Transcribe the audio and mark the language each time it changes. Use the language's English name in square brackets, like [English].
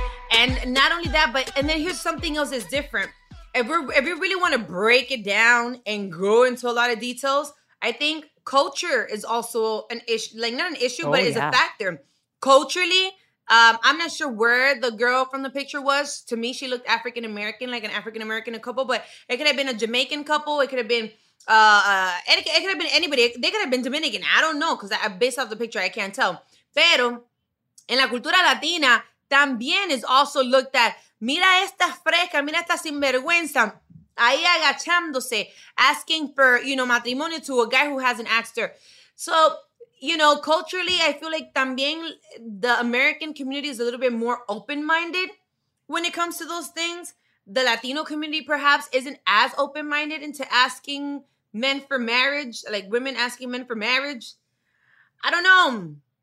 [English] And not only that, but and then here's something else that's different. If we really want to break it down and go into a lot of details, I think culture is also an issue, like not an issue, but it's a factor. Culturally, I'm not sure where the girl from the picture was. To me, she looked African-American, like an African-American couple, but it could have been a Jamaican couple. It could have been it could have been anybody. They could have been Dominican. I don't know, because based off the picture, I can't tell. [Spanish] Pero en la cultura latina, también [English] is also looked at. [Spanish] Mira esta fresca, mira esta sinvergüenza. Ahí agachándose, [English] asking for, you know, [Spanish] matrimonio [English] to a guy who hasn't asked her. So, you know, culturally, I feel like [Spanish] también [English] the American community is a little bit more open-minded when it comes to those things. The Latino community perhaps isn't as open-minded into asking men for marriage, like women asking men for marriage. I don't know.